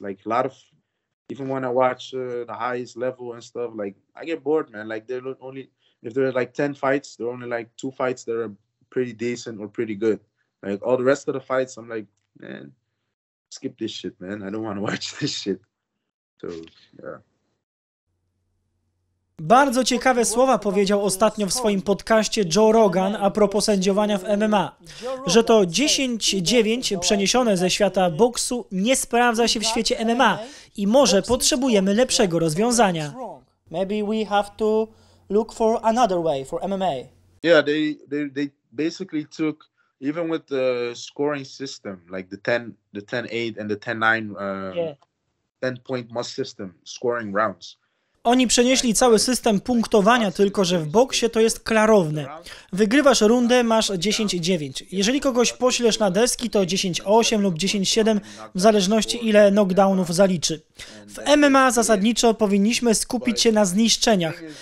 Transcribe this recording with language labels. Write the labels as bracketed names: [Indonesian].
[English] Like, a lot of, even when I watch the highest level and stuff, like, I get bored, man. Like, they're only... If there are like 10 fights, there are only like 2 fights that are pretty decent or pretty good. Like all the rest of the fights, I'm like, man, skip this shit, man. I don't want to watch this shit. So, yeah. [Polish] Bardzo ciekawe słowa powiedział ostatnio w swoim podcaście Joe Rogan a propos sędziowania w MMA, że to 10-9 przeniesione ze świata boksu nie sprawdza się w świecie MMA i może potrzebujemy lepszego rozwiązania. [English] Maybe we have to look for another way for MMA. Yeah, they basically took, even with the scoring system, like the 10-8 and the 10-9 10 point must system scoring rounds. [Polish] Oni przenieśli cały system punktowania, tylko że w boksie to jest klarowne. Wygrywasz rundę, masz 10-9. Jeżeli kogoś poślesz na deski, to 10-8 lub 10-7, w zależności ile knockdownów zaliczy. W MMA zasadniczo powinniśmy skupić się na zniszczeniach.